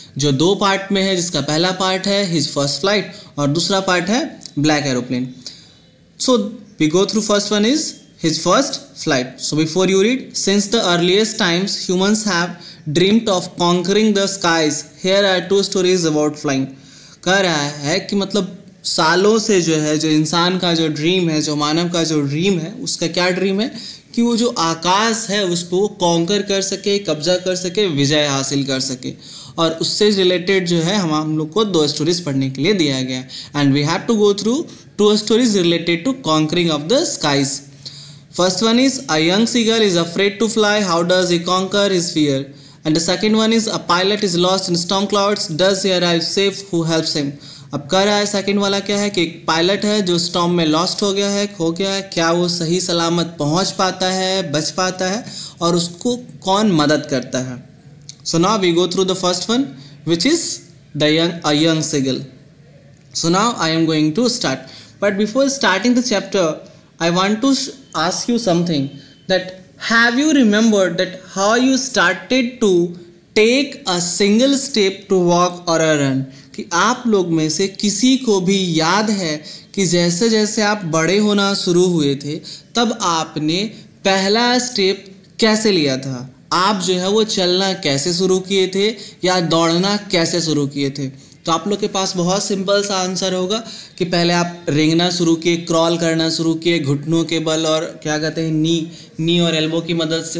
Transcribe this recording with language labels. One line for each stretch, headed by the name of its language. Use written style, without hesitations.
Hindi: जो दो part में है जिसका पहला part है his first flight और दूसरा part है Black Aeroplane.
English: So we go through first one is his first flight. So before you read, since the earliest times humans have dreamt of conquering the skies. Here are two stories about flying.
Hindi: कह रहा है कि मतलब सालों से जो है जो इंसान का जो ड्रीम है जो मानव का जो ड्रीम है उसका क्या ड्रीम है कि वो जो आकाश है उस पर वो कॉन्कर कर सके कब्जा कर सके विजय हासिल कर सके और उससे रिलेटेड जो है हम लोग को दो स्टोरीज पढ़ने के लिए दिया गया
English: And we have to go through two stories related to conquering of the skies. First one is a young seagull is afraid to fly how does he conquer his fear. And the second one is a pilot is lost in storm clouds. Does he arrive safe? Who helps him?
Hindi: अब कह रहा है second वाला क्या है कि एक pilot है जो स्टॉर्म में लॉस्ट हो गया है खो गया है क्या वो सही सलामत पहुंच पाता है बच पाता है और उसको कौन मदद करता है.
English: So now we go through the first one which is the a young seagull. So now I am going to start. But before starting the chapter, I want to ask you something that Have you remembered that how you started to take a single step to walk or a run?
Hindi: कि आप लोग में से किसी को भी याद है कि जैसे जैसे आप बड़े होना शुरू हुए थे तब आपने पहला स्टेप कैसे लिया था आप जो है वो चलना कैसे शुरू किए थे या दौड़ना कैसे शुरू किए थे. तो आप लोग के पास बहुत सिंपल सा आंसर होगा कि पहले आप रेंगना शुरू किए क्रॉल करना शुरू किए घुटनों के बल और क्या कहते हैं नी और एल्बो की मदद से.